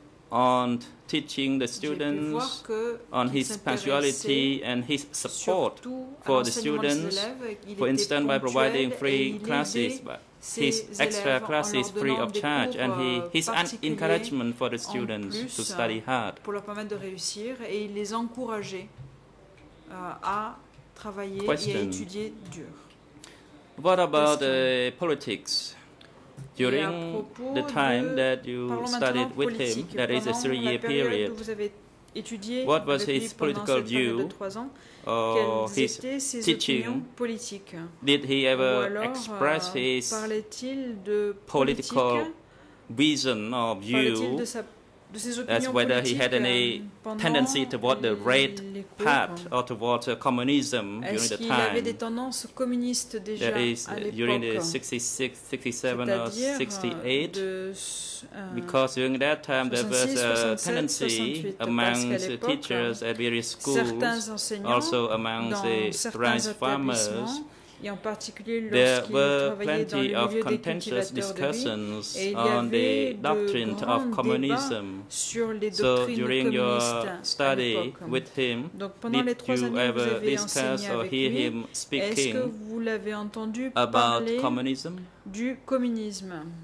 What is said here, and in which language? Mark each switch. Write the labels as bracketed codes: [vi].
[en] on teaching the students, on his punctuality and his support for the students, for instance, by providing free classes, his extra classes free of charge, and his encouragement for the students to study hard. [fr] Pour leur permettre de réussir, et il les encourageait à travailler [en] question. [fr] Et à étudier dur. [en] What about politics? During the time that you studied with him, that is a 3-year period, what was his political view or his teaching? Did he ever express his political vision or view as whether he had any tendency toward the red part or toward communism during the time. [fr] Avait des tendances communistes déjà [en] that is, [fr] à l'époque, [en] during the 66, 67 or 68, because during that time there was a tendency among the teachers at various schools, also among the rice farmers. [fr] Et en particulier lorsqu'il travaillait dans le milieu des cultivateurs de riz, et il y avait de grands débats sur les doctrines communistes à l'époque. Donc pendant les trois années que vous avez enseigné avec lui, est-ce que vous l'avez entendu parler du communisme?